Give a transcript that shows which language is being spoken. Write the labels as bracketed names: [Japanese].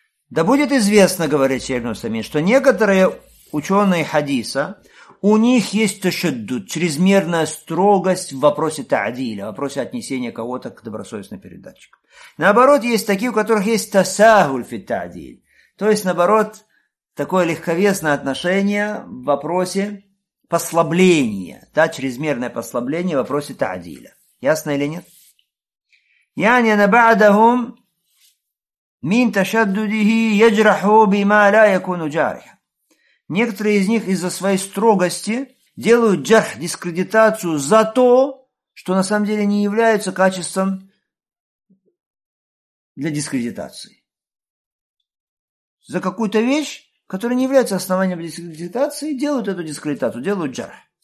[Russian] Да будет известно, говорит Шейх Нусаймин, что некоторые ученые хадиса, у них есть ташаддуд, чрезмерная строгость в вопросе таадиля, в вопросе отнесения кого-то к добросовестным передатчикам. Наоборот, есть такие, у которых есть тасагуль фи таадиль. То есть, наоборот, такое легковесное отношение в вопросе послабления, да, чрезмерное послабление в вопросе таадиля. Ясно или нет? [Arabic] يعني أنا بعدهم من تشدده يجرح بما لا يكون جارحا. [Russian] Некоторые из них из-за своей строгости делают джарх, дискредитацию за то, что на самом деле не является качеством для дискредитации. За какую-то вещь, которая не является основанием дискредитации, делают эту дискредитацию, делают джарх.